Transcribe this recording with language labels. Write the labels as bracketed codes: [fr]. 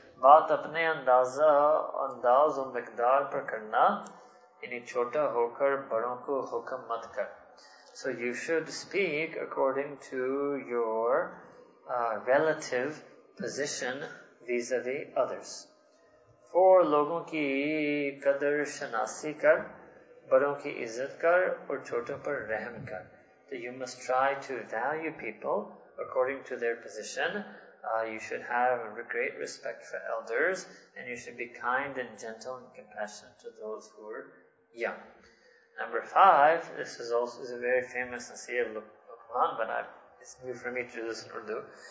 [ur] بات اپنے اندازہ انداز و مقدار پر کرنا یعنی چھوٹا ہو کر بڑوں کو حکم مت کر. [en] So you should speak according to your relative position vis-a-vis others. [ur] For لوگوں کی قدر شناسی کر, بڑوں کی عزت کر اور چھوٹوں پر رحم کر. [en] So you must try to value people according to their position. You should have great respect for elders, and you should be kind and gentle and compassionate to those who are young. Number five, this is also a very famous nasiha Luqman, but it's new for me to do this in Urdu.